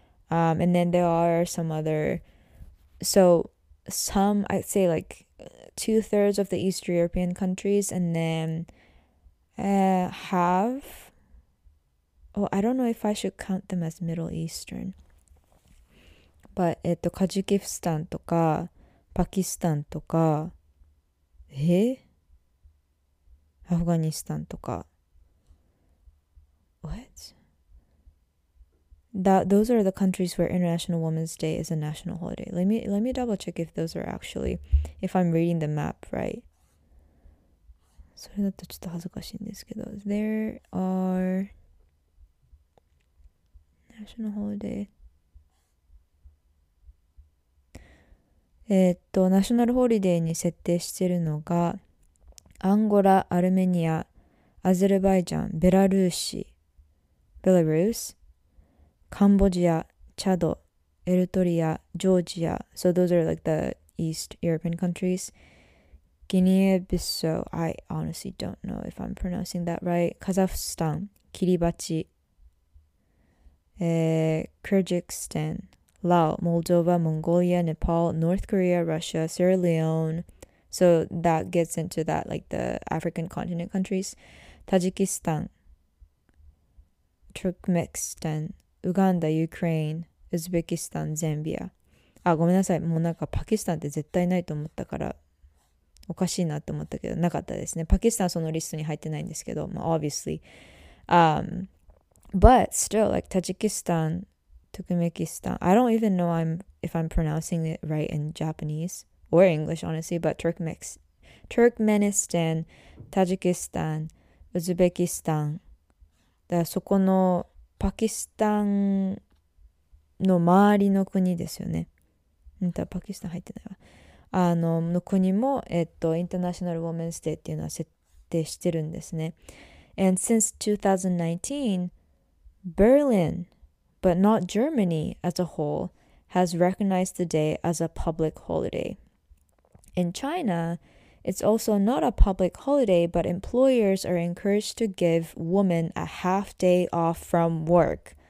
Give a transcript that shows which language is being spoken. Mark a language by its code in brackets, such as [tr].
[en] And then there are some other. So, some, I'd say like, two-thirds of the East European countries, and then have, well, I don't know if I should count them as Middle Eastern, but カジキスタンとかパキスタンとか、アフガニスタンとか、 What? That those are the countries where International Women's Day is a national holiday. Let me double check if those are actually, if I'm reading the map right. [ja] それだとちょっと恥ずかしいんですけど。 [en] There are national holiday. [ja] ナショナルホリデーに設定しているのがアンゴラ、アルメニア、アゼルバイジャン、ベラルーシ、ベラルーシ、カンボジア、チャド、エルトリア、ジョージア。 [en] So those are like the East European countries. ギニアビソ、I honestly don't know if I'm pronouncing that right. [ja] カザフスタン、キリバチ、キルギスタン、ラオ、モルドバ、モンゴリア、ネパール、ノースコリア、ロシア、セラリオン。 [en] So that gets into that, like the African continent countries. [ja] タジキスタン、トルクメキスタン、ウガンダ、ユクレイン、ウズベキスタン、ゼンビア。あ、ごめんなさい。もうなんかパキスタンって絶対ないと思ったから、おかしいなと思ったけど、なかったですね。パキスタンはそのリストに入ってないんですけど、まあ、obviously。 [en] But still, like, タジキスタン、トクメキスタン。 I don't even know if I'm pronouncing it right in Japanese or English, honestly, but トルクメニスタン、タジキスタン、ウズベキスタン。 [ja] だからそこの、パキスタンの周りの国ですよね。うんと、パキスタン入ってないわ。の国も、インターナショナルウォーメンズデーっていうのは設定してるんですね。 [en] And since 2019, Berlin, but not Germany as a whole, has recognized the day as a public holiday. In China, it's also not a public holiday, but employers are encouraged to give women a half day off from work.